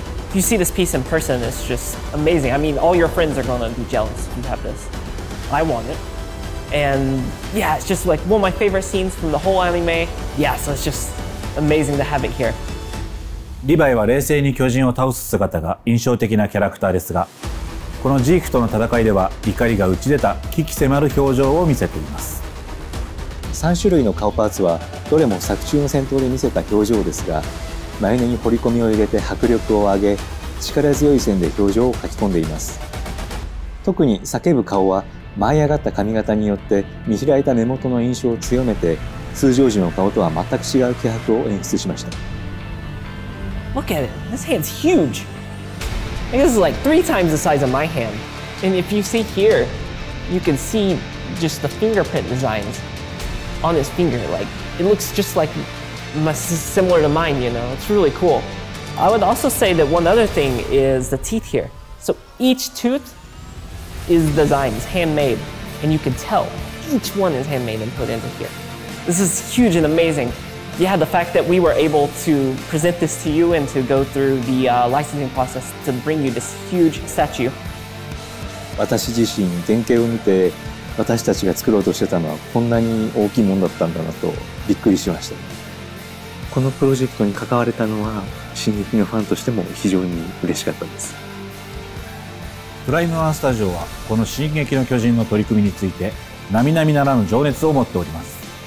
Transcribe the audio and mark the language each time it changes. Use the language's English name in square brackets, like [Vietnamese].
[English] If you see this piece in person, it's just amazing! I mean, all your friends are gonna be jealous if you have this. I want it. And yeah, it's just like one of my favorite scenes from the whole anime. Yeah, so it's just amazing to have it here. [Japanese] リヴァイは冷静に巨人を倒す姿が印象的なキャラクターですが、このジークとの戦いでは怒りが打ち出た鬼気迫る表情を見せています。 3種類の顔パーツはどれも作中の戦闘で見せた表情ですが、眉毛に彫り込みを入れて迫力を上げ、力強い線で表情を描き込んでいます。特に叫ぶ顔は舞い上がった髪型によって見開いた目元の印象を強めて、通常時の顔とは全く違う気迫を演出しました。 [English] Look at it. This hand's huge. This is like 3 times the size of my hand. And if you see here, you can see just the fingerprint designs on his finger. Like, it looks just like similar to mine, you know? It's really cool. I would also say that one other thing is the teeth here. So each tooth is designed, handmade. And you can tell each one is handmade and put into here. This is huge and amazing. Yeah, the fact that we were able to present this to you and to go through the licensing process to bring you this huge statue. [Japanese] 私自身原型を見て、私たちが作ろうとしてたのはこんなに大きいものだったんだなとびっくりしました。このプロジェクトに関われたのは、進撃のファンとしても非常に嬉しかったです。プライムワンスタジオは、この進撃の巨人の取り組みについて、並々ならぬ情熱を持っております。